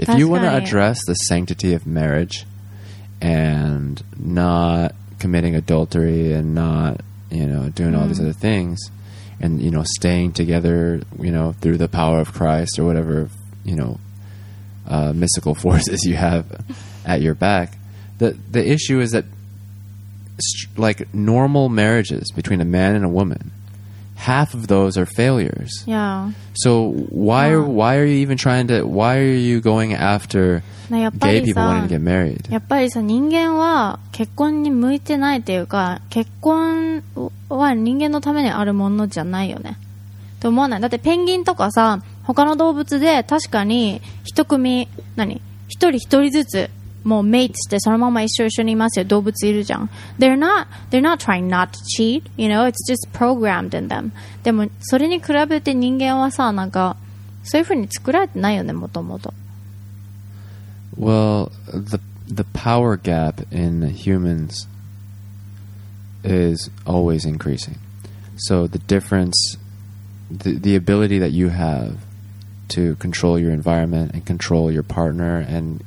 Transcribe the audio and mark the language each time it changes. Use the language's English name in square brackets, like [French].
[English] If you want to address the sanctity of marriage and not committing adultery and not, you know, doing all these other things and, you know, staying together, you know, through the power of Christ or whatever, you know, mystical forces you have at your back, the issue is that, like, normal marriages between a man and a woman, half of those are failures. Yeah. So why are you going after gay people wanting to get married? [Japanese] やっぱりさ、人間は結婚に向いてないっていうか、結婚は人間のためにあるものじゃないよね。と思わない。だってペンギンとかさ、他の動物で確かに一組、何？一人一人ずつ。もうメイトしてそのまま一緒一緒にいますよ。動物いるじゃん。 [English] They're not trying not to cheat. You know, it's just programmed in them. [Japanese] でもそれに比べて人間はさ、なんかそういう風に作られてないよね、もともと。 [English] Well, the power gap in humans is always increasing. So the difference, the ability that you have. To control your environment and control your partner and,、